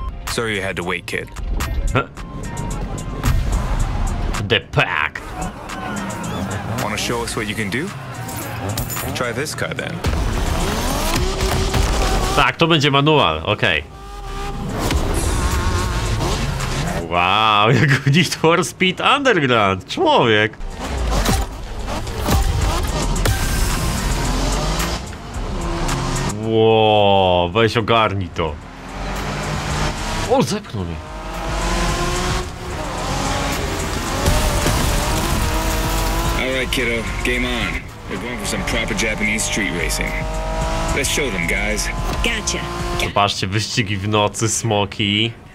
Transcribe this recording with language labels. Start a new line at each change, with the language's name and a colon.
English: Sorry you had to wait, kid. The pack. Wanna show us what you can do? Try this car then.
Polish: Tak, to będzie manual, okej. Wow, jak Need for Speed Underground, człowiek! Wow, weź ogarnij to. O, zepchnął mnie.
English: All right, kiddo, game on. We're going for some proper Japanese street racing. Let's show them, guys. Gotcha.
Polish: Zobaczcie, wyścigi w nocy, smoki.